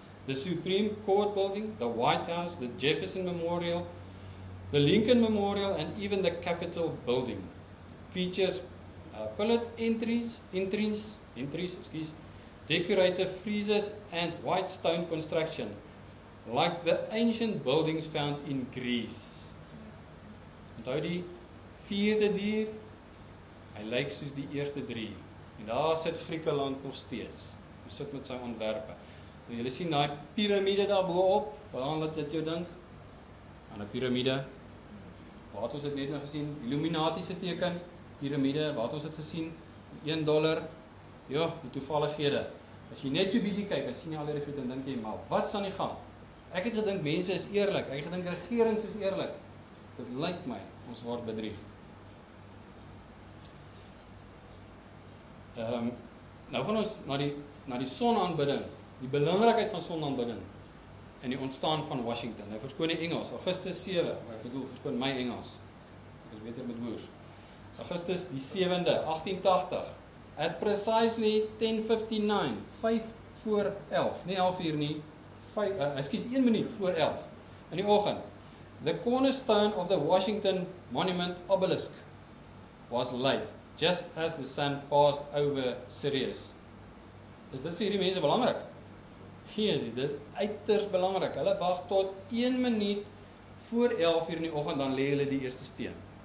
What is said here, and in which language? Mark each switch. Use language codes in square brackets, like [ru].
[en] The Supreme Court Building, the White House, the Jefferson Memorial, the Lincoln Memorial, and even the Capitol Building. Features pillared entries, decorated friezes, and white stone construction, like the ancient buildings found in Greece. [af] Onthou die vierde dier, hy lyk soos die eerste drie. En daar sit Griekeland nog steeds. Hy sit met sy ontwerpe. En jylle sien die piramide daar boop, waaraan laat dit jou dink? Aan die piramide. Wat ons het net nou gesien, Illuminatiese teken, piramide, wat ons het gesien, $1, ja, die toevallighede. As jy net jou bietjie kyk, as jy nie al die goed en dink jy, maar wat is aan die gang? Ek het gedink, mense is eerlik, ek het gedink, regerings is eerlik. Dit lyk my ons word bedrieg. Nou gaan ons na die sonaanbidding, die belangrikheid van sonaanbidding in die ontstaan van Washington. Nou verskoon die Engels, Augustus 7, maar ek bedoel verskoon my Engels. Ek is beter met woorde. Augustus die 7de, 1880. [en] At precisely [af] 10:59, 5 voor 11, nie 11 uur nie, 1 minuut voor 11 in die oggend. [en] The cornerstone of the Washington Monument obelisk was laid just as the sun passed over Sirius. [af] Is dit vir hierdie mense belangrik? Geesie, dit is uiters belangrik. Hulle wag tot 1 minuut voor 11 uur in die oggend, dan lê hulle die eerste steen.